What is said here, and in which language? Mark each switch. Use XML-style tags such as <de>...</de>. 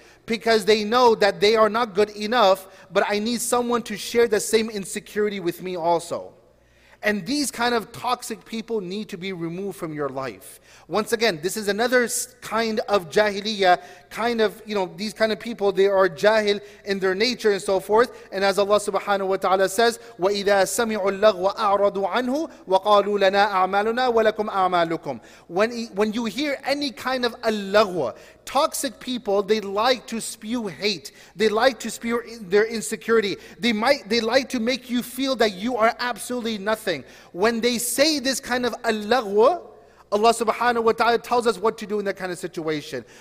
<en>Because they know that they are not good enough, but I need someone to share the same insecurity with me also. And these kind of toxic people need to be removed from your life. Once again, this is another kind of jahiliyyah, kind of, you know, these kind of people, they are jahil in their nature and so forth. And as Allah subhanahu wa ta'ala says,</en> <ar>وَإِذَا سَمِعُوا اللَّغْوَ أَعْرَضُوا عَنْهُ وَقَالُوا لَنَا أَعْمَالُنَا وَلَكُمْ أَعْمَالُكُمْ.</ar> <en>When you hear any kind of al-lagwa, toxic people, they like to spew hate. They like to spew their insecurity. They like to make you feel that you are absolutely nothing. When they say this kind of al-lagwa, Allah subhanahu wa ta'ala tells us what to do in that kind of situation.</en>